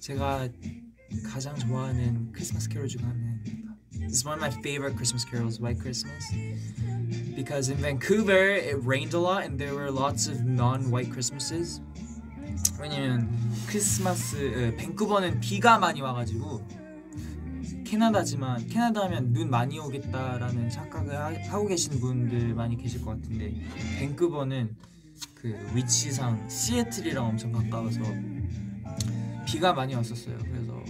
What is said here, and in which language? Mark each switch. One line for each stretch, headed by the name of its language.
Korean: 제가 가장 좋아하는 크리스마스 캐롤 중 하나입니다.
English: This is one of my favorite Christmas carols, White Christmas. Because in Vancouver, it rained a lot and there were lots of non-white Christmases.
Korean: 왜냐면 크리스마스, 밴쿠버는 비가 많이 와가지고 캐나다지만 캐나다하면 눈 많이 오겠다라는 착각을 하고 계신 분들 많이 계실 것 같은데 밴쿠버는 그 위치상 시애틀이랑 엄청 가까워서 비가 많이 왔었어요.